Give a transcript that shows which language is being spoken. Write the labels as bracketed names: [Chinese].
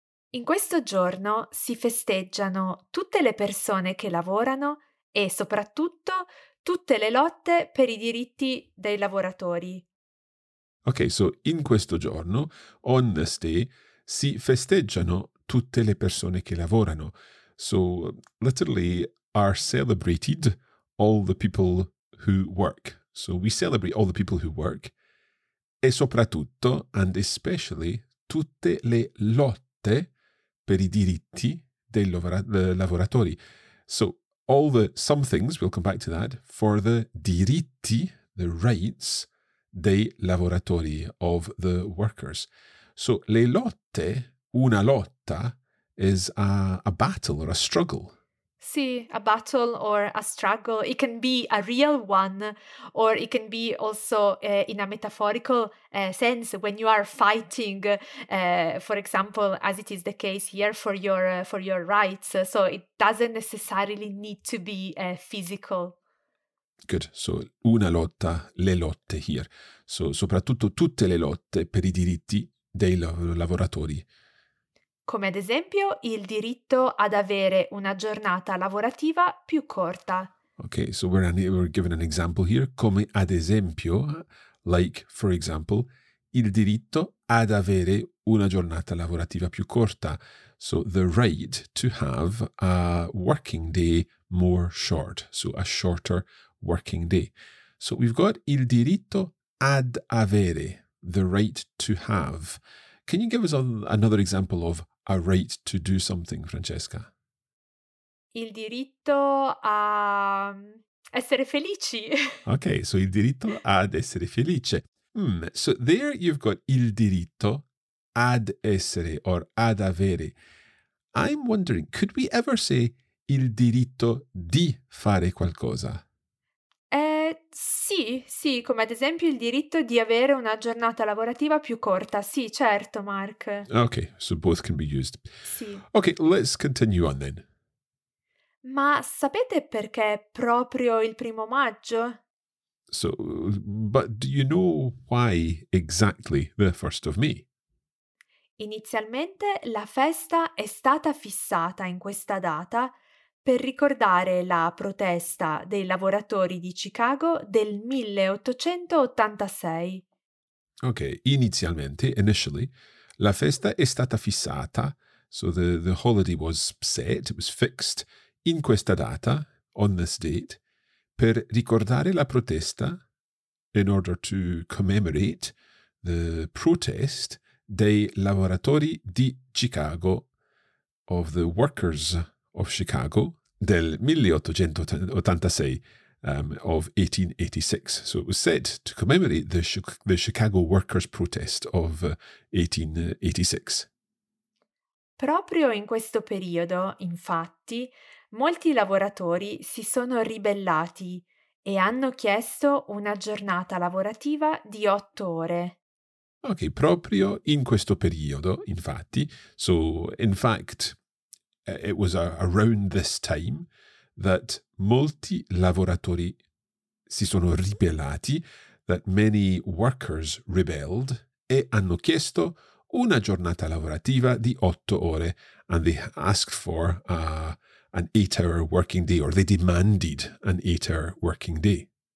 [Italian] In questo giorno si festeggiano tutte le persone che lavorano e soprattutto tutte le lotte per i diritti dei lavoratori. [English] Ok, so [Italian] in questo giorno, [English] on this day, [Italian] si festeggiano tutte le persone che lavorano. [English] So literally are celebrated all the people who work. So we celebrate all the people who work. [Italian] E soprattutto, [English] and especially, [Italian] tutte le lotte per i diritti dei lavoratori. [English] So all the some things, we'll come back to that, for the diritti, the rights, [Italian] dei lavoratori, [English] of the workers. So [Italian] le lotte, una lotta, [English] is a battle or a struggle. Sì, a battle or a struggle. It can be a real one, or it can be also in a metaphorical sense when you are fighting, for example, as it is the case here for your rights. So it doesn't necessarily need to be physical. Good. So [Italian] una lotta, le lotte [English] here. [Italian] So soprattutto tutte le lotte per i diritti dei lavoratori. Come ad esempio il diritto ad avere una giornata lavorativa più corta. [English] Okay, so we're given an example here. [Italian] Come ad esempio, [English] like for example, [Italian] il diritto ad avere una giornata lavorativa più corta. [English] So the right to have a working day more short. So a shorter working day. So we've got [Italian] il diritto ad avere, [English] the right to have. Can you give us another example of a right to do something, Francesca? [Italian] Il diritto a essere felici. [English] Okay, so [Italian] il diritto ad essere felice. [English] So there you've got [Italian] il diritto ad essere [English] or [Italian] ad avere. [English] I'm wondering, could we ever say [Italian] il diritto di fare qualcosa? Sì, sì, come ad esempio il diritto di avere una giornata lavorativa più corta. Sì, certo, Mark. [English] Okay, so both can be used. [Italian] Sì. [English] Okay, let's continue on then. [Italian] Ma sapete perché proprio il primo maggio? [English] So, but do you know why exactly the first of May? [Italian] Inizialmente la festa è stata fissata in questa data per ricordare la protesta dei lavoratori di Chicago del 1886. [English] Ok, inizialmente, initially, [Italian] la festa è stata fissata, [English] so the holiday was set, it was fixed, [Italian] in questa data, [English] on this date, [Italian] per ricordare la protesta, [English] in order to commemorate the protest [Italian] dei lavoratori di Chicago, [English] of the workers of Chicago, [Italian] del 1886, [English] of 1886. So it was said to commemorate the Chicago workers' protest of 1886. [Italian] Proprio in questo periodo, infatti, molti lavoratori si sono ribellati e hanno chiesto una giornata lavorativa di 8 ore. [English] Ok, [Italian] proprio in questo periodo, infatti, [English] so in fact, it was around this time that [Italian] molti lavoratori si sono ribellati, [English] that many workers rebelled, [Italian] e hanno chiesto una giornata lavorativa di 8 ore, [English] and they asked for an 8-hour working day, or they demanded an 8-hour working day.